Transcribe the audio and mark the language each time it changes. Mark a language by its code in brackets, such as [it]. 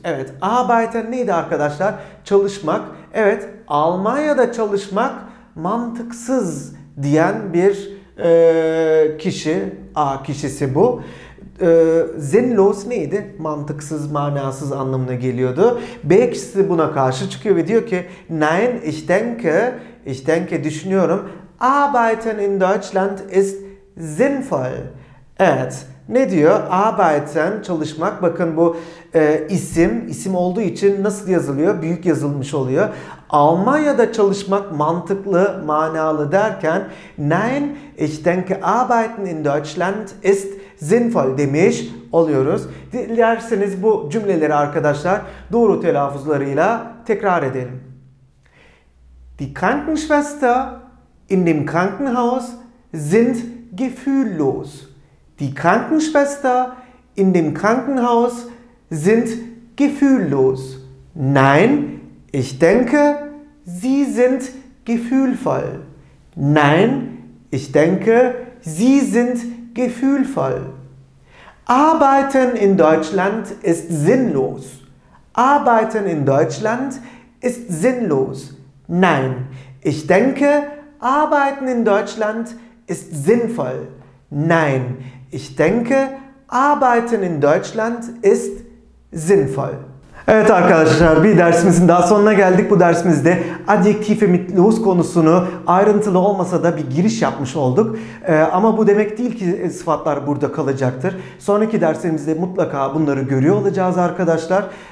[tr] Evet, arbeiten neydi arkadaşlar? Çalışmak. Evet, Almanya'da çalışmak mantıksız diyen bir kişi, A kişisi bu. Sinnlos neydi? Mantıksız, manasız anlamına geliyordu. B kişisi buna karşı çıkıyor ve diyor ki [de] Nein, ich denke, [tr] düşünüyorum. [de] Arbeiten in Deutschland ist sinnvoll. [tr] Evet. Ne diyor? Arbeiten, çalışmak. Bakın bu isim olduğu için nasıl yazılıyor? Büyük yazılmış oluyor. Almanya'da çalışmak mantıklı, manalı derken [de] Nein, ich denke, arbeiten in Deutschland ist sinnvoll [tr] demiş oluyoruz. Dilerseniz bu cümleleri arkadaşlar doğru telaffuzlarıyla tekrar edelim. [de] Die Krankenschwester in dem Krankenhaus sind gefühllos. Die Krankenschwester in dem Krankenhaus sind gefühllos. Nein, ich denke, sie sind gefühlvoll. Nein, ich denke, sie sind gefühlvoll. Arbeiten in Deutschland ist sinnlos. Arbeiten in Deutschland ist sinnlos. Nein, ich denke, arbeiten in Deutschland ist sinnvoll. Nein, ich denke, arbeiten in Deutschland ist sinnvoll. [tr] Evet arkadaşlar, bir dersimizin daha sonuna geldik. Bu dersimizde adjektif ve mitlos konusunu ayrıntılı olmasa da bir giriş yapmış olduk. Ama bu demek değil ki sıfatlar burada kalacaktır. Sonraki derslerimizde mutlaka bunları görüyor olacağız arkadaşlar.